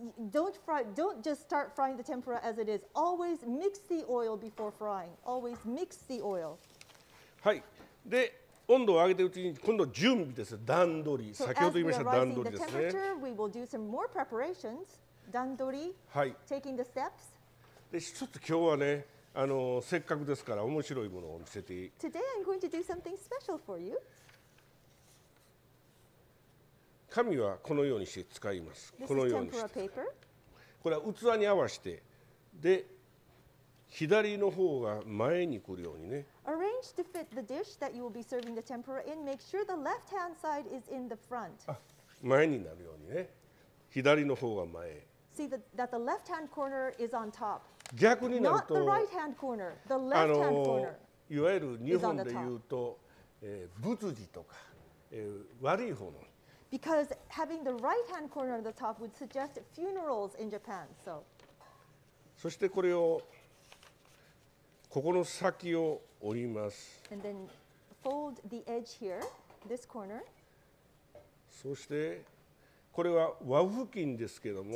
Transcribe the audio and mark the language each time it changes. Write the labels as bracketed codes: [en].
[en] Don't just start frying the tempura as it is. Always mix the oil before frying. Always mix the oil. [ja] はい。で、温度を上げてるうちに今度準備です。段取り。 [en] So、 [ja] 先ほど言いました段取りですね。 [en] So as we are rising the temperature, we will do some more preparations. 段取り。 [ja] はい。 [en] Taking the steps. [ja] で、ちょっと今日はね、せっかくですから面白いものを見せて。 [en] Today I'm going to do something special for you. [ja] 紙はこのようにして使います。 [en] This、 [ja] このようにして。 [en] Paper. [ja] これは器に合わせて、で、左の方が前に来るようにね。 [en] Arrange to fit the dish that you will be serving the tempura in. Make sure the left-hand side is in the front. [ja] 前になるようにね。左の方が前。 [en] See that the left-hand corner is on top. [ja] 逆になると、 [en] Not the right-hand corner, the left-hand corner. [ja] いわゆる日本で言うと、仏字とか、悪い方の。 [en] Because having the right-hand corner at the top would suggest funerals in Japan, so. [ja] そしてこれをここの先を折ります。 [en] And then fold the edge here, this corner. [ja] そしてこれは和布巾ですけども。